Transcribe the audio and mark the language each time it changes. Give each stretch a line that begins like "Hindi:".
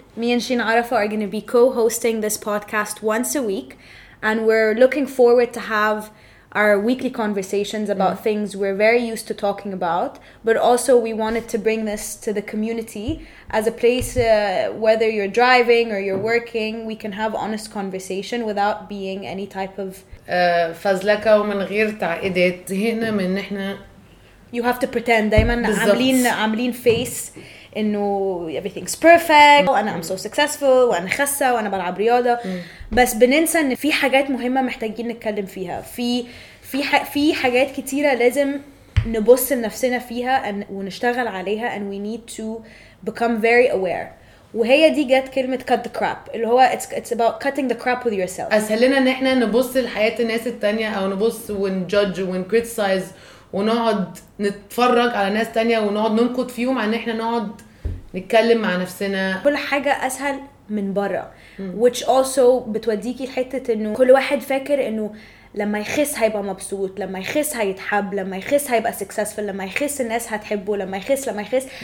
English: Me and Shireen Arafa are going to be co-hosting this podcast once a week, and we're looking forward to have our weekly conversations about things we're very used to talking about, but also we wanted to bring this to the community as a place, whether you're driving or you're working, we can have honest conversation without being any type of...
Arabic: فازلكا ومن غير تعقيدات هنا من نحنا...
English: You have to pretend.
Arabic: دايما عاملين
English: face
Arabic: إنه
English: everything's perfect.
Arabic: وأنا
English: I'm so successful.
Arabic: وأنا خسة. وأنا بلعب رياضة. بس بننسى إن في حاجات مهمة محتاجين نتكلم فيها. في حاجات كتيرة لازم نبص لنفسنا فيها ونشتغل عليها.
English: And we need to become very aware.
Arabic: وهي دي جت كلمة
English: cut the crap.
Arabic: اللي هو
English: it's about cutting the crap with yourself.
Arabic: أسهل لنا إن إحنا نبص لحياة الناس التانية أو نبص ون judge ون criticize. ونقعد نتفرج على ناس تانية ونقعد ننقد فيهم عن احنا نقعد نتكلم مع نفسنا كل حاجة اسهل من برا
English: which also
Arabic: بتوديكي حتة انه كل واحد فاكر انه لما يخس هيبقى مبسوط لما يخس هيتحب لما يخس هيبقى سكسسفل لما يخس الناس هتحبه لما يخس لما يخس